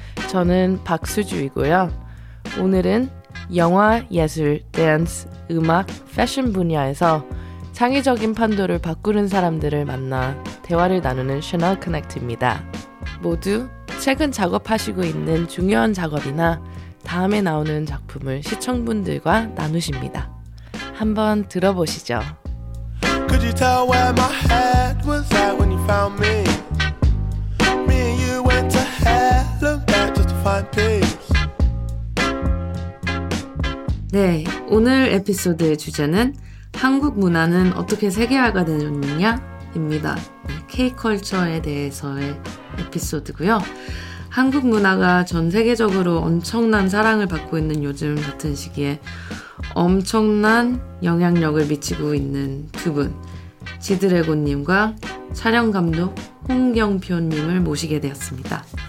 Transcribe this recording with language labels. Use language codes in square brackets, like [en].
[ko] 저는 박수주이고요. 오늘은 영화, 예술, 댄스, 음악, 패션 분야에서 창의적인 판도를 바꾸는 사람들을 만나 대화를 나누는 셔널 커넥트입니다. 모두 최근 작업하시고 있는 중요한 작업이나 다음에 나오는 작품을 시청분들과 나누십니다. 한번 들어보시죠. [en] Could you tell where my head was at when you found me? Me and you went to hell and back just to find peace. [ko] 네, 오늘 에피소드의 주제는 한국 문화는 어떻게 세계화가 되었느냐? 입니다. K-컬처에 대해서의 에피소드고요. 한국 문화가 전 세계적으로 엄청난 사랑을 받고 있는 요즘 같은 시기에 엄청난 영향력을 미치고 있는 두 분, 지드래곤님과 촬영감독 홍경표님을 모시게 되었습니다.